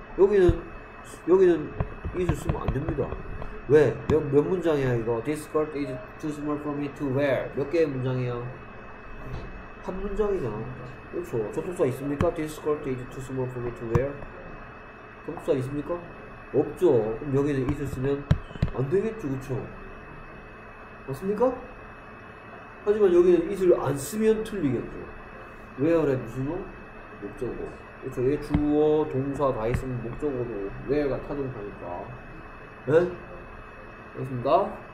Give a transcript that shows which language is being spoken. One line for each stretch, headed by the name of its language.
Korean: 여기는 이수 쓰면 안 됩니다. 왜? 몇 문장이야 이거?
English: This skirt is too small for me to wear.
Korean: 몇 개의 문장이야? 한 문장이잖아. 그렇죠. 접속사 있습니까?
English: This skirt is too small for me to wear.
Korean: 접속사 있습니까? 없죠. 그럼 여기는 이수 쓰면 안 되겠죠. 그렇죠. 맞습니까? 하지만 여기는 이수를 안 쓰면 틀리겠죠. Where에 무슨 어? 목적어. 그쵸, 얘 주어, 동사 다 있으면 목적으로 where가 타동사니까. 예? 됐습니다.